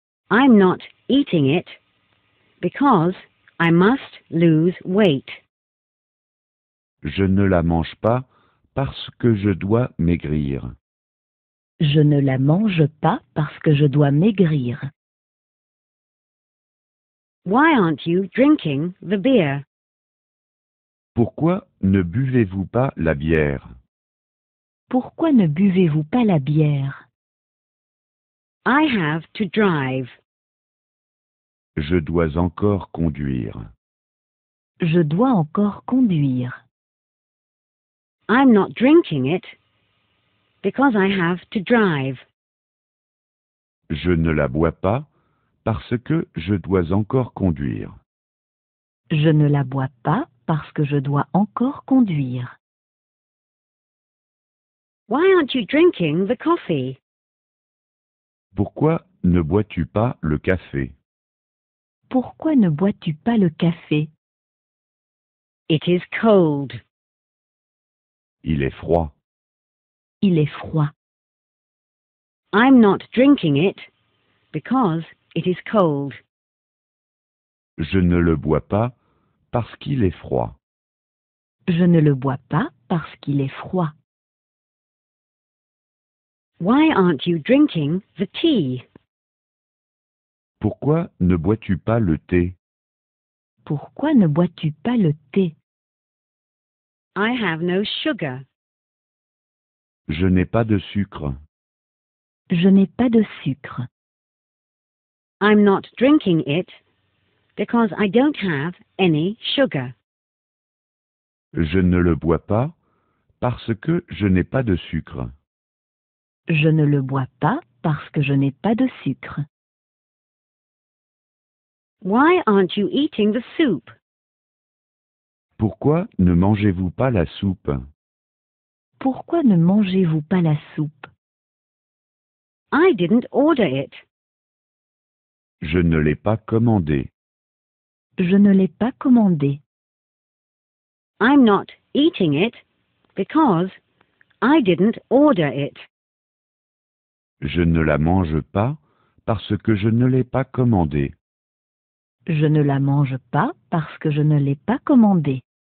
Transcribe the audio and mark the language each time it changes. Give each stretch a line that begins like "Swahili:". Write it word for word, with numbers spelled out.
English: I'm not eating it because I must lose weight.
French: Je ne la mange pas parce que je dois maigrir. Je ne la mange pas parce que je dois maigrir.
English: Why aren't you drinking the beer?
French: Pourquoi ne buvez-vous pas la bière? Pourquoi ne buvez-vous pas la bière?
English: I have to drive.
French: Je dois encore conduire. Je dois encore conduire.
English: I'm not drinking it because I have to drive.
French: Je ne la bois pas parce que je dois encore conduire. Je ne la bois pas parce que je dois encore conduire.
English: Why aren't you drinking the coffee?
French: Pourquoi ne bois-tu pas le café? Pourquoi ne bois-tu pas le café?
English: It is cold.
French: Il est froid. Il est froid.
English: I'm not drinking it because it is cold.
French: Je ne le bois pas parce qu'il est froid. Je ne le bois pas parce qu'il est froid.
English: Why aren't you drinking the tea?
French: Pourquoi ne bois-tu pas le thé? Pourquoi ne bois-tu pas le thé?
English: I have no sugar.
French: Je n'ai pas de sucre. Je n'ai pas de sucre.
English: I'm not drinking it because I don't have any sugar.
French: Je ne le bois pas parce que je n'ai pas de sucre. Je ne le bois pas parce que je n'ai pas de sucre.
English: Why aren't you eating the soup?
French: Pourquoi ne mangez-vous pas la soupe? Pourquoi ne mangez-vous pas la soupe?
English: I didn't order it.
French: Je ne l'ai pas commandée. Je ne l'ai pas commandée.
English: I'm not eating it because I didn't order it.
French: Je ne la mange pas parce que je ne l'ai pas commandée. Je ne la mange pas parce que je ne l'ai pas commandée.